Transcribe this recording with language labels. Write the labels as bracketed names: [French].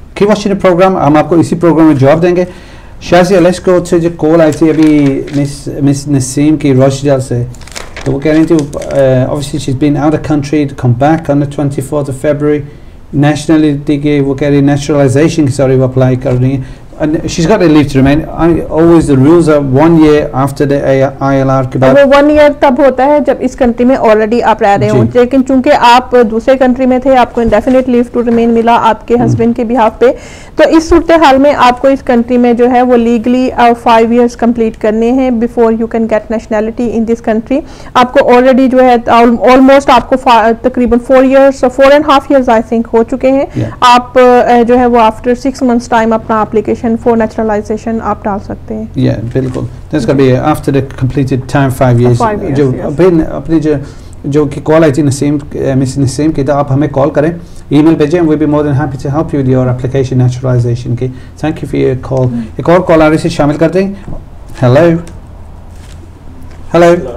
[English] की watching program, [Hindi] हम आपको इसी प्रोग्राम में जवाब देंगे. शाजी अलेस को से जो कॉल आई थी अभी मिस नसीम की रोशजा से, तो वो कह रही थी [English] Obviously she is been out of country to come back on the 24th of February. [Hindi] Nationality के वो कह रही नेशनलाइजेशन की सॉरी वो अप्लाई कर रही है. [English] And she's got a leave to remain. Always the rules are 1 year after the ILR [Hindi] के बाद. वो 1 year तब होता है जब इस कंट्री में ऑलरेडी आप रह रहे हों. लेकिन चूंकि आप दूसरे कंट्री में थे, आपको [English] indefinite leave to remain [Hindi] मिला आपके हस्बैंड के बिहाफ पे, तो इस सूरत हाल में आपको इस कंट्री में जो है वो लीगली 5 years कंप्लीट करने हैं [English] Before you can get nationality in this country. [Hindi] आपको ऑलरेडी जो है ऑलमोस्ट आपको तकरीबन 4 and half years [English] I think [Hindi] हो चुके हैं. आप जो है वो [English] after 6 months time [Hindi] अपना एप्लीकेशन [English] for naturalization [Hindi] आप डाल सकते हैं. Yeah, बिल्कुल. [English] That's gonna be after the completed time 5 years. [Hindi] जो अपनी जो कि कॉल आई थी नसीम, मिस नसीम की, तो आप हमें कॉल करें, ईमेल भेजें, [English] we'll be more than happy to help you with your application naturalization [Hindi] की. [English] Thank you for your call. [Hindi] एक और कॉल आ रही है, शामिल करते हैं. [English] Hello. Hello.